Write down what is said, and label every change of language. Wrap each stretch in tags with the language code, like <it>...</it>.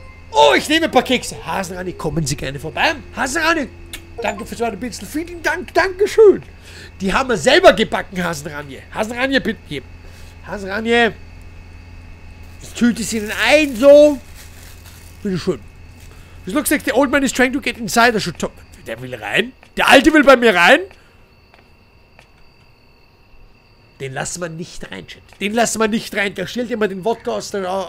<de>Oh, ich nehme ein paar Kekse. Hasenrani, kommen Sie gerne vorbei. Hasenrani, danke für so eine Pinsel. Vielen Dank, danke schön. Die haben wir selber gebacken, Hasenrani. Hasenrani, bitte. Hier. Hasenrani, ich tüte sie denn ein, so. Bitte schön.</de> <en>It looks like the old man is trying to get inside. I should talk.</en> <de>Der will rein? Der Alte will bei mir rein? Den lassen wir nicht rein, Chat. Den lassen wir nicht rein. Der stellt immer den Wodka aus der...</de>